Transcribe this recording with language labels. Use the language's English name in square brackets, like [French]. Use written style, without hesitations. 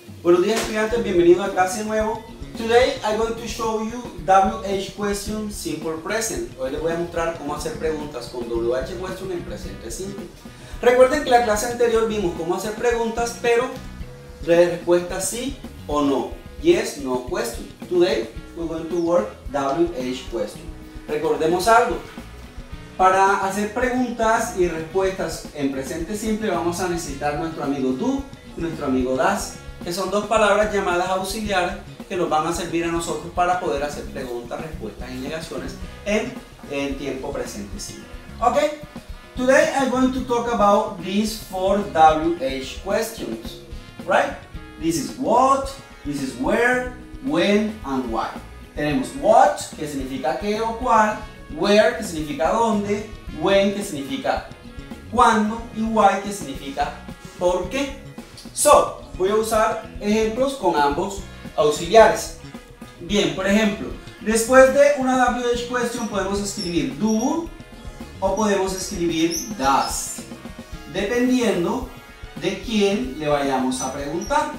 [Spanish] Buenos días, estudiantes. Bienvenidos a clase de nuevo. [English] Today, I'm going to show you WH question simple present. [Spanish] Hoy les voy a mostrar cómo hacer preguntas con WH question en presente simple. Recuerden que en la clase anterior vimos cómo hacer preguntas, pero de respuesta sí o no. [English] Yes, no question. Today, we're going to work WH question. [Spanish] Recordemos algo. Para hacer preguntas y respuestas en presente simple vamos a necesitar nuestro amigo do y nuestro amigo das, que son dos palabras llamadas auxiliares que nos van a servir a nosotros para poder hacer preguntas, respuestas y negaciones en tiempo presente simple. [English] Ok, today I'm going to talk about these four WH questions, right? This is what, this is where, when and why. [Spanish] Tenemos what, que significa qué o cuál. Where, que significa dónde, when, que significa cuándo, y why, que significa por qué. So, voy a usar ejemplos con ambos auxiliares. Bien, por ejemplo, después de una WH question podemos escribir do o podemos escribir does, dependiendo de quién le vayamos a preguntar.